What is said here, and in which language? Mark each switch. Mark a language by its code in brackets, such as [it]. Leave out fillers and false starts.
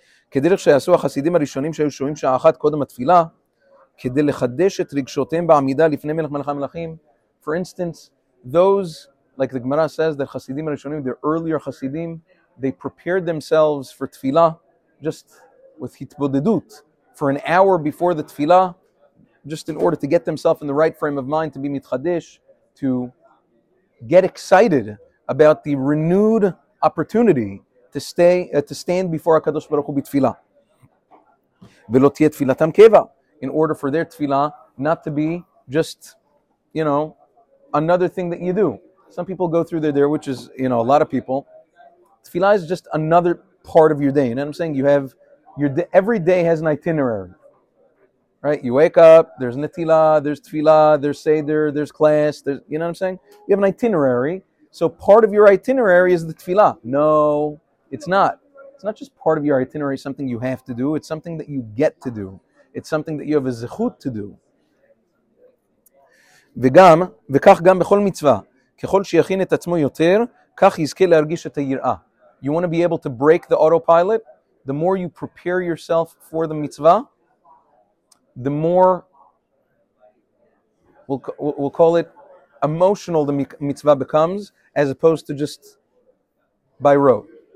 [he] כדרך שיעשו החסידים הראשונים שהיו שומעים שעה אחת קודם התפילה, כדי לחדש את רגשותיהם בעמידה לפני מלך מלכי המלכים. [en] For instance, those, like the Gemara says, that Hasidim HaRishonim, the earlier Hasidim, they prepared themselves for tefillah, just with hitbodedut, for an hour before the tefillah, just in order to get themselves in the right frame of mind, to be mitchadesh, to get excited about the renewed opportunity to stay to stand before HaKadosh Baruch Hu b'tefillah. [he] V'lo tiyeh tefillatam keva, [en] in order for their tefillah not to be just, you know, another thing that you do. Some people go through there, which is, you know, a lot of people. Tefillah is just another part of your day. You know what I'm saying? You have your day, every day has an itinerary, right? You wake up, there's netilah, there's tefillah, there's seder, there's class, there's, you know what I'm saying? You have an itinerary. So part of your itinerary is the tefillah. No, it's not. It's not just part of your itinerary, something you have to do. It's something that you get to do. It's something that you have a zechut to do. [he] וגם, וכך גם בכל מצווה. ככל שיכין את עצמו יותר, כך יזכה להרגיש את היראה. [en] You want to be able to break the autopilot? The more you prepare yourself for the mitzvah, the more, we'll call it emotional the mitzvah becomes, as opposed to just by rote.